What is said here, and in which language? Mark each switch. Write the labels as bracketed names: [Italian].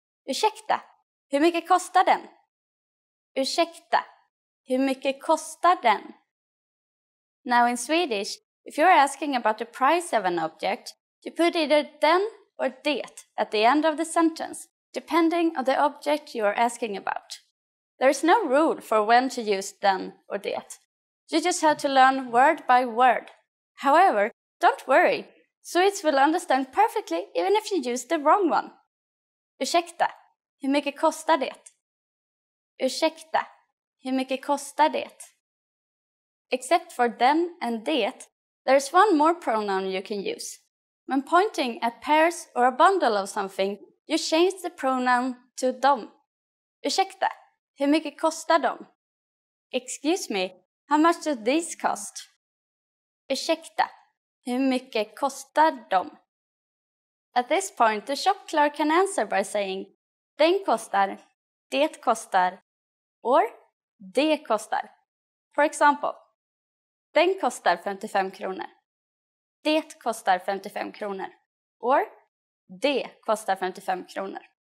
[Swedish] Ursäkta, hur mycket kostar den? Ursäkta, hur mycket kostar den? [English] Now in Swedish, if you're asking about the price of an object, you put either den or det at the end of the sentence, depending on the object you are asking about. There is no rule for when to use den or det. You just have to learn word by word. However, don't worry. Swedes will understand perfectly even if you use the wrong one. [Swedish] Ursäkta, hur mycket kostar det? Ursäkta, hur mycket kostar det? [English] Except for den and det, there is one more pronoun you can use. When pointing at pairs or a bundle of something, you change the pronoun to dem. [Swedish] Ursäkta, hur mycket kostar dem? [English] Excuse me. How much do these cost? [Swedish] Ursäkta, hur mycket kostar de? [English] At this point, the shop clerk can answer by saying [Swedish] den kostar, det kostar, [English] or [Swedish] det kostar. [English] For example, [Swedish] den kostar 55 kronor, det kostar 55 kronor, [English] or [Swedish] det kostar 55 kronor.